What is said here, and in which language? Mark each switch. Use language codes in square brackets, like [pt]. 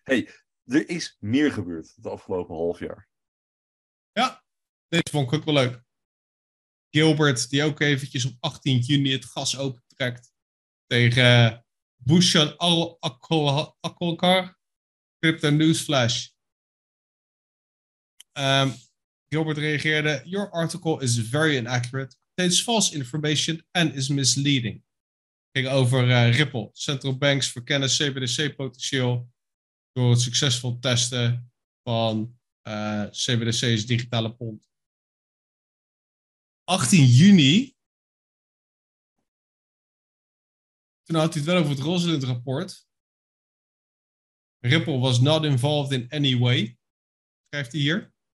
[nl] Hey, er is meer gebeurd het afgelopen half jaar. Ja, deze vond ik ook wel leuk. Gilbert, die ook eventjes op 18 juni het gas opentrekt tegen Bhushan Akolkar. Crypto Newsflash. Gilbert reageerde: [en] "Your article is very inaccurate, contains false information and is misleading." [nl] Ging over Ripple. [en] Central banks [nl] verkennen CBDC-potentieel door het succesvol testen van CBDC's digitale pond. 18 juni. Toen had hij het wel over het Rosalind rapport. [en] Ripple was not involved in any way, [nl] schrijft hij hier.